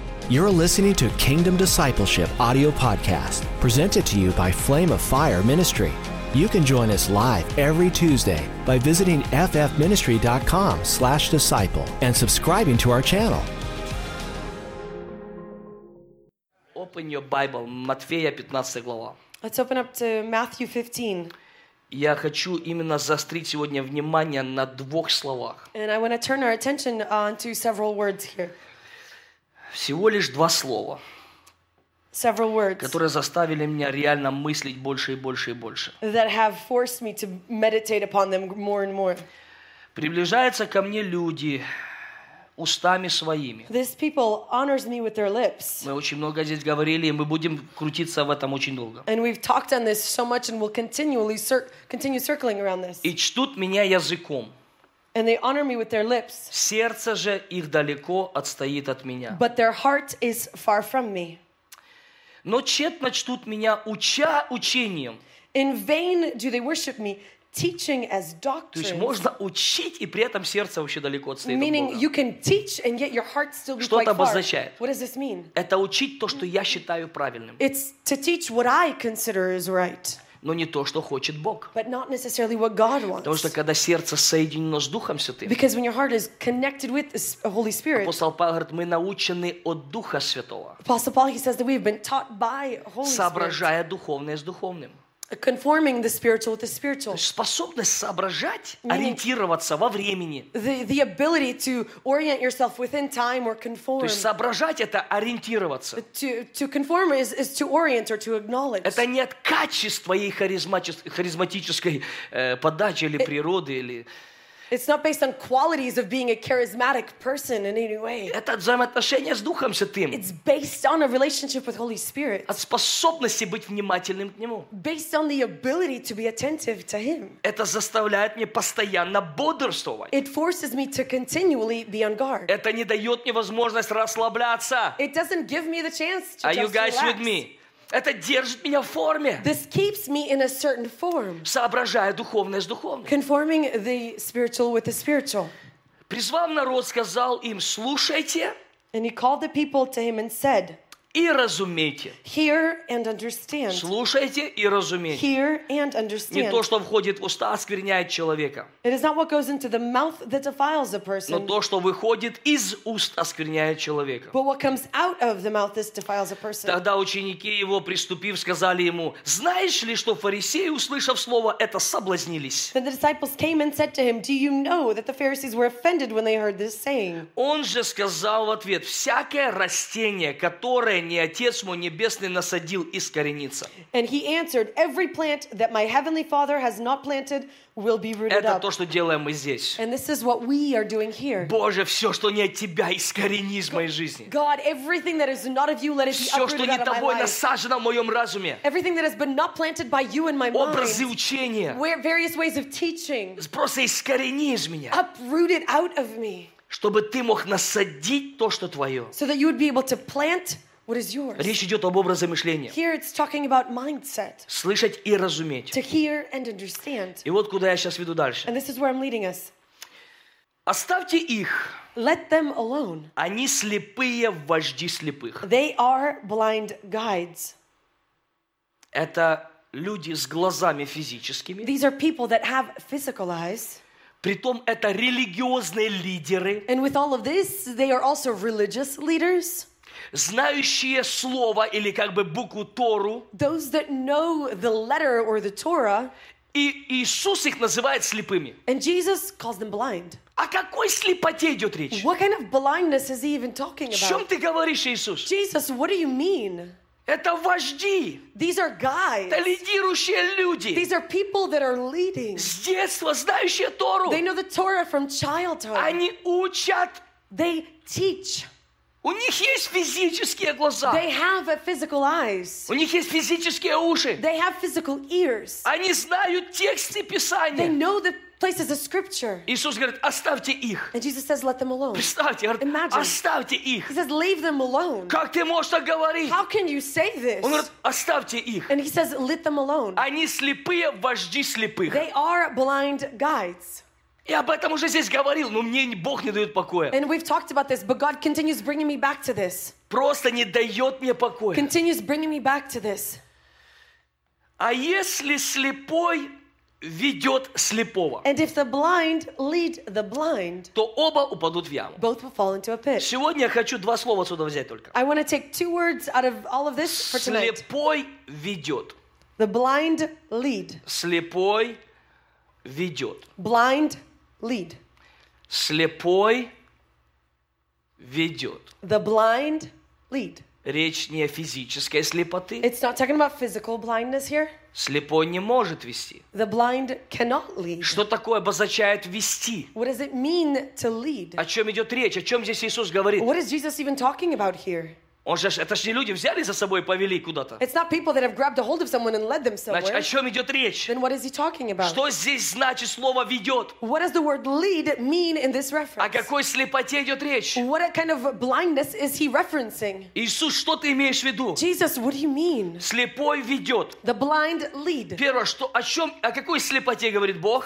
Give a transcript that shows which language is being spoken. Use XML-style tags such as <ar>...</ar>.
<en>You're listening to Kingdom Discipleship Audio Podcast, presented to you by Flame of Fire Ministry. You can join us live every Tuesday by visiting ffministry.com/disciple and subscribing to our channel. Open your Bible,</en> <ru>Матфея 15 глава.</ru> <en>Let's open up to Matthew 15.</en> <ru>Я хочу именно заострить сегодня внимание на двух словах.</ru> <en>And I want to turn our attention on to several words here.</en> <ru>Всего лишь два слова, которые заставили меня реально мыслить больше и больше и больше.</ru> <en>That have forced me to meditate upon them more and more.</en> <ru>Приближаются ко мне люди устами своими.</ru> <en>These people honors me with their lips.</en> <ru>Мы очень много здесь говорили, и мы будем крутиться в этом очень долго.</ru> <en>And we've talked on this so much, and we'll continually continue circling around this.</en> <ru>И чтут меня языком.</ru> <en>And they honor me with their lips.</en> <ru>Сердце же их далеко отстоит от меня.</ru> <en>But their heart is far from me.</en> <ru>Но тщетно чтут меня уча учением.</ru> <en>In vain do they worship me, teaching as doctrine.</en> <ru>То есть можно учить, и при этом сердце вообще далеко отстоит от Бога.</ru> <en>Meaning you can teach, and yet your heart still be quite far.</en> <ru>Что это обозначает?</ru> <en>What does this mean?</en> <ru>Это учить то, что я считаю правильным.</ru> <en>It's to teach what I consider is right.</en> <ru>Но не то, что хочет Бог.</ru> <en>But not necessarily what God wants.</en> <ru>Потому что когда сердце соединено с Духом Святым,</ru> <en>because when your heart is connected with the Holy Spirit,</en> <ru>апостол Павел говорит, мы научены от Духа Святого.</ru> <en>Apostle Paul, he says that we've been taught by Holy Spirit.</en> <ru>Соображая духовное с духовным.</ru> <en>Conforming the spiritual with the spiritual.</en> <ru>Способность соображать, meaning, ориентироваться во времени.</ru> <en>The ability to orient yourself within time or conform.</en> <ru>То есть соображать это ориентироваться.</ru> <en>To conform is to orient or to acknowledge.</en> <ru>Это не от качества и харизматической подачи или природы или.</ru> <en>It's not based on qualities of being a charismatic person in any way.</en> <ru>Это взаимоотношение с Духом Святым.</ru> <en>It's based on a relationship with Holy Spirit.</en> <ru>От способности быть внимательным к Нему.</ru> <en>Based on the ability to be attentive to Him.</en> <ru>Это заставляет меня постоянно бодрствовать.</ru> <en>It forces me to continually be on guard.</en> <ru>Это не дает мне возможность расслабляться.</ru> <en>It doesn't give me the chance to just relax. Are you guys relax with me?</en> <ru>Это держит меня в форме.</ru> <en>This keeps me in a certain form.</en> <ru>Соображая духовное с духовным.</ru> <en>Conforming the spiritual with the spiritual.</en> <ru>Призвав народ, сказал им: слушайте.</ru> <en>And he called the people to him and said.</en> <ru>И разумейте.</ru> <en>Hear and understand.</en> <ru>Слушайте и разумейте.</ru> <en>Hear and understand.</en> <ru>Не то, что входит в уста, оскверняет человека.</ru> <en>It is not what goes into the mouth that defiles a person.</en> <ru>Но то, что выходит из уст, оскверняет человека.</ru> <en>But what comes out of the mouth, this defiles a person.</en> <ru>Тогда ученики его, приступив, сказали ему: знаешь ли, что фарисеи, услышав слово это, соблазнились?</ru> <en>Then the disciples came and said to him, do you know that the Pharisees were offended when they heard this saying?</en> <ru>Он же сказал в ответ: всякое растение, которое не Отец мой небесный насадил, искоренится.</ru> <en>And he answered, every plant that my heavenly Father has not planted will be rooted up.</en> <ru>Это то, что делаем мы здесь.</ru> <en>And this is what we are doing here.</en> <ru>Боже, все, что не от Тебя, искорени из моей жизни.</ru> <en>God, everything that is not of You, let it be uprooted out of my life.</en> <ru>Все, что не Тобой, насажено в моем разуме.</ru> <en>Everything that has been not planted by You in my mind.</en> <ru>Образы учения.</ru> <en>Various ways of teaching.</en> <ru>Просто искорени из меня.</ru> <en>Uproot it out of me.</en> <ru>Чтобы Ты мог насадить то, что Твое.</ru> <en>So that You would be able to plant. What is yours?</en> <ru>Речь идет об образе мышления.</ru> <en>Here it's talking about mindset.</en> <ru>Слышать и разуметь.</ru> <en>To hear and understand.</en> <ru>И вот куда я сейчас веду дальше.</ru> <en>And this is where I'm leading us.</en> <ru>Оставьте их.</ru> <en>Let them alone.</en> <ru>Они слепые вожди слепых.</ru> <en>They are blind guides.</en> <ru>Это люди с глазами физическими.</ru> <en>These are people that have physical eyes.</en> <ru>Притом это религиозные лидеры.</ru> <en>And with all of this, they are also religious leaders.</en> <ru>Знающие слово или как бы букву Тору.</ru> <en>Those that know the letter or the Torah.</en> <ru>И Иисус их называет слепыми.</ru> <en>And Jesus calls them blind.</en> <ru>О какой слепоте идет речь?</ru> <en>What kind of blindness is he even talking about?</en> <ru>В чем ты говоришь, Иисус?</ru> <en>Jesus, what do you mean?</en> <ru>Это вожди.</ru> <en>These are guides.</en> <ru>Это лидирующие люди.</ru> <en>These are people that are leading.</en> <ru>С детства знающие Тору.</ru> <en>They know the Torah from childhood.</en> <ru>Они учат.</ru> <en>They teach.</en> <ru>У них есть физические глаза.</ru> <en>They have a physical eyes.</en> <ru>У них есть физические уши.</ru> <en>They have physical ears.</en> <ru>Они знают тексты Писания.</ru> <en>They know the places of scripture.</en> <ru>Иисус говорит, оставьте их.</ru> <en>And Jesus says, let them alone.</en> <ru>Представьте, говорит,</ru> <en>imagine.</en> <ru>Оставьте их.</ru> <en>He says, leave them alone.</en> <ru>Как ты можешь так говорить?</ru> <en>How can you say this?</en> <ru>Он говорит, оставьте их.</ru> <en>And he says, let them alone.</en> <ru>Они слепые вожди слепых.</ru> <en>They are blind guides.</en> <ru>И об этом уже здесь говорил, но мне Бог не дает покоя.</ru> <en>And we've talked about this, but God continues bringing me back to this.</en> <ru>Просто не дает мне покоя.</ru> <en>Continues bringing me back to this.</en> <ru>А если слепой ведет слепого,</ru> <en>and if the blind lead the blind,</en> <ru>то оба упадут в яму.</ru> <en>Both will fall into a pit.</en> <ru>Сегодня я хочу два слова отсюда взять только.</ru> <en>I want to take two words out of all of this for tonight.</en> <ru>Слепой ведет.</ru> <en>The blind lead.</en> <ru>Слепой ведет.</ru> <en>Blind lead.</en> <ru>Слепой ведет.</ru> <en>The blind lead.</en> <ru>Речь не о физической слепоте.</ru> <en>It's not talking about physical blindness here.</en> <ru>Слепой не может вести.</ru> <en>The blind cannot lead.</en> <ru>Что такое обозначает вести?</ru> <en>What does it mean to lead?</en> <ru>О чем идет речь? О чем здесь Иисус говорит?</ru> <en>What is Jesus even talking about here?</en> <ru>Это же не люди взяли за собой и повели куда-то.</ru> <en>It's not people that have grabbed a hold of someone and led them somewhere.</en> <ru>Значит, о чем идет речь?</ru> <en>Then what is he talking about?</en> <ru>Что здесь значит слово ведет?</ru> <en>What does the word lead mean in this reference?</en> <ru>О какой слепоте идет речь?</ru> <en>What kind of blindness is he referencing?</en> <ru>Иисус, что ты имеешь в виду?</ru> <en>Jesus, what do you mean?</en> <ru>Слепой ведет.</ru> <en>The blind lead.</en> <ru>Первое, что, о чем, о какой слепоте говорит Бог?</ru>